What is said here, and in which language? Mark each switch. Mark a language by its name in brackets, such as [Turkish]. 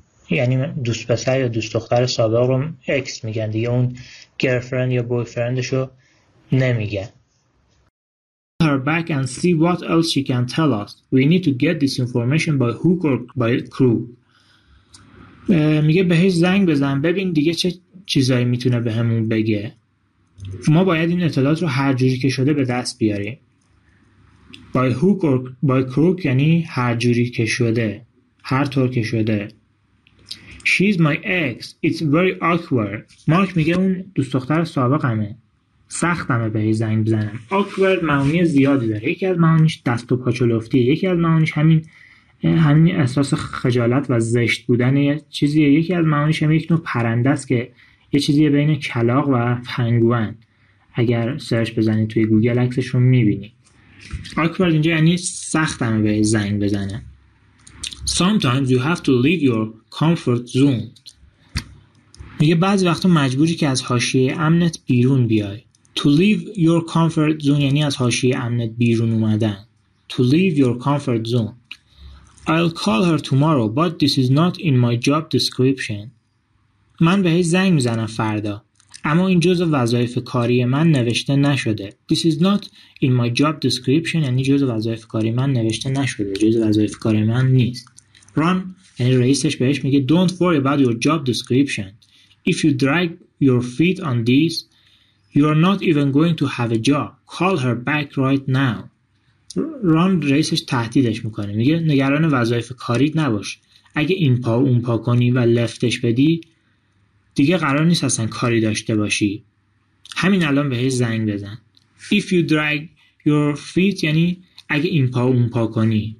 [Persian] یعنی دوست پسر یا دوست دختر سابق رو ex میگن. دیگه اون girlfriend یا boyfriendشو نمیگن. [English] Her back and see what else she can tell us. We need to get this information by hook or by crook. [Persian] میگه بهش زنگ بزن ببین دیگه چه چیزایی میتونه بهمون بگه. ما باید این اطلاعات رو هر جوری که شده به دست بیاریم. [English] By hook or by crook [Persian] یعنی هر جوری که شده، هر طور که شده. [English] She's my ex. It's very awkward. [Persian] مارک میگه اون دوست دختر سابقمه، سختمه به زنگ بزنم. awkward معنی زیادی داره. یکی از معانیش دست و پاچلفتیه، یکی از معانیش همین احساس خجالت و زشت بودن چیزیه، یکی از معانیش هم یک نوع پرنده است که یه چیزیه بین کلاغ و پنگوئن. اگر سرچ بزنید توی گوگل عکسش رو میبینید. awkward اینجا یعنی سختمه به زنگ بزنم. [English] sometimes you have to leave your comfort zone. [Persian] میگه بعضی وقتا مجبوری که از حاشیه امنت بیرون بیای. [English] To leave your comfort zone [Persian] یعنی از حاشیه امنت بیرون اومدن. [English] To leave your comfort zone. I'll call her tomorrow, but this is not in my job description. [Persian] من بهش زنگ میزنم فردا، اما این جزء وظایف کاری من نوشته نشده. [English] This is not in my job description [Persian] یعنی جزء وظایف کاری من نوشته نشده، جزء وظایف کاری من نیست. [English] Ron [Persian] یعنی رئیسش بهش میگه [English] Don't worry about your job description. If you drag your feet on this, you are not even going to have a job. Call her back right now. [Persian] ران رئیسش تهدیدش میکنه، میگه نگران وظایف کاری نباش، اگه این پا اون پا کنی و لفتش بدی دیگه قرار نیست اصلا کاری داشته باشی. همین الان بهش زنگ بزن. [English] If you drag your feet [Persian] یعنی اگه این پا اون پا کنی.